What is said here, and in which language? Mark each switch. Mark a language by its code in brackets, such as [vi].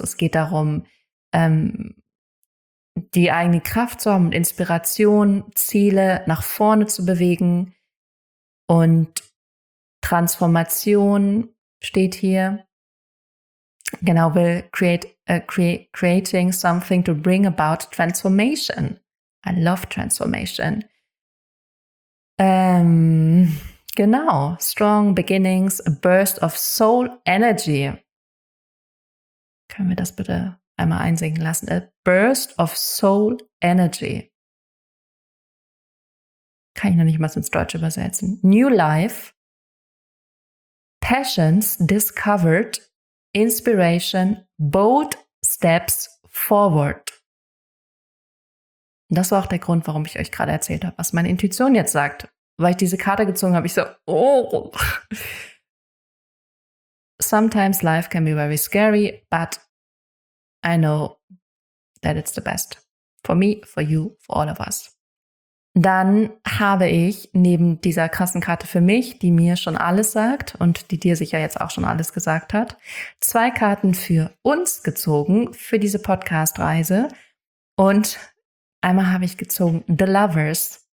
[de] Es geht darum, die eigene Kraft zu haben und Inspiration, Ziele nach vorne zu bewegen. Und Transformation steht hier. [en] Genau, will creating something to bring about transformation. I love transformation. Genau, strong beginnings, a burst of soul energy. [de] Können wir das bitte einmal einsinken lassen? [en] A burst of soul energy. [de] Kann ich noch nicht mal ins Deutsche übersetzen. [en] New life, passions discovered, inspiration, bold steps forward. [de] Und das war auch der Grund, warum ich euch gerade erzählt habe, was meine Intuition jetzt sagt. Weil ich diese Karte gezogen habe, ich so, oh. [en] Sometimes life can be very scary, but I know that it's the best. For me, for you, for all of us. [de] Dann habe ich neben dieser krassen Karte für mich, die mir schon alles sagt und die dir sicher jetzt auch schon alles gesagt hat, 2 Karten für uns gezogen, für diese Podcast-Reise. Und einmal habe ich gezogen The Lovers.